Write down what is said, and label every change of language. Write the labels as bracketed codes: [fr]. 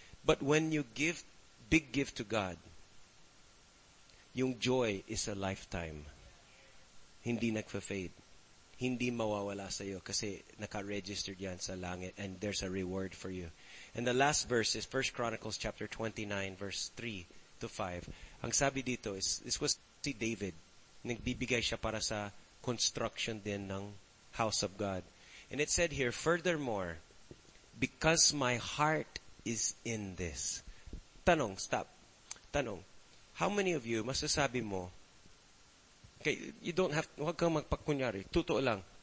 [en] But when you give big gift to God, [tl] yung joy [en] is a lifetime. [tl] Hindi nagfa-fade. Hindi mawawala sa'yo kasi naka-registered yan sa langit and [en] there's a reward for you. And the last verse is 1 Chronicles chapter 29, verse 3 to 5. [tl] Ang sabi dito is, this was si David. Nagbibigay siya para sa construction din ng house of God. [en] And it said here, furthermore, because my heart is in this. [tl] Tanong, stop. Tanong, how many of you, masasabi mo, okay, you don't have, huwag kang magpakunyari, totoo lang.